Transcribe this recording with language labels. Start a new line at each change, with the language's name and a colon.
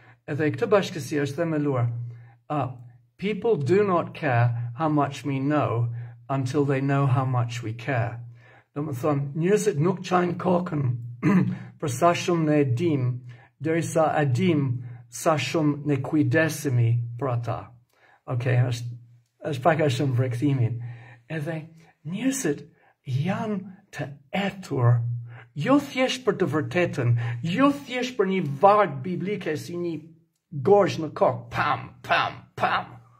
Albanian: Edhe këtë bashkësi është themeluar.
English: People do not care how much we know until they know how much we care.
Albanian: Do më thonë, njerëzit nuk qajnë kokën për sa shumë ne dim, deri sa e dim sa shumë ne kujdesimi për ata. Okay, është pak a shumë për këthimin. Edhe njerëzit janë të etur, jo thjesht për të vërtetën, jo thjesht për një vargë biblike si një gorsh në kokë, pam, pam, pam.